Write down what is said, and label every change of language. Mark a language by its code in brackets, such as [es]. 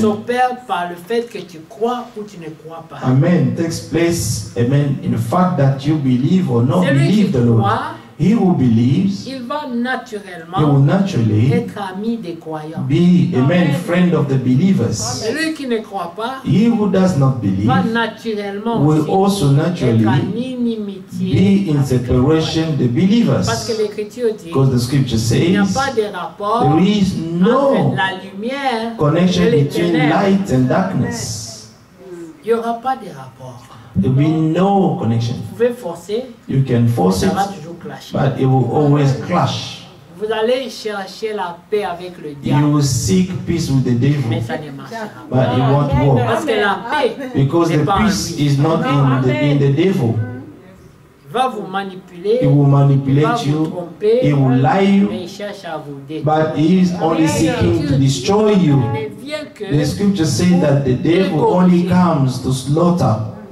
[fr] s'opère par le fait que tu crois ou tu ne crois pas. Amen. [en] Takes place, amen, in the fact that you believe or not believe the Lord. He who believes, [fr] il va naturellement [en] he will naturally [fr] être ami des croyants. [en] Be a man friend of the believers. [fr] Et lui qui ne croit pas, [en] he who does not believe [fr] va naturellement [en] will also naturally be in separation the believers. [fr] Parce que l'écriture dit, [en] because the scripture says [fr] il n'y a pas de rapport [en] there is no [fr] la lumière [en] connection between light and darkness. [fr] Il n'y aura pas de rapport. [en] There will be no connection. [fr] Vous pouvez forcer, [en] you can force it, but it will always clash. [fr] Vous allez chercher la paix avec le diable. [en] You will seek peace with the devil, [fr] mais ça ne marchera pas. [en] But it won't work. [fr] Parce que la paix, [en] because the peace is not in the devil. [fr] Va vous manipuler, [en] he will manipulate [fr] va vous tromper, [en] you, he will lie you, [fr] mais il cherche à vous détruire. [en] But he is only seeking to destroy you. The scripture says that the devil only comes to slaughter.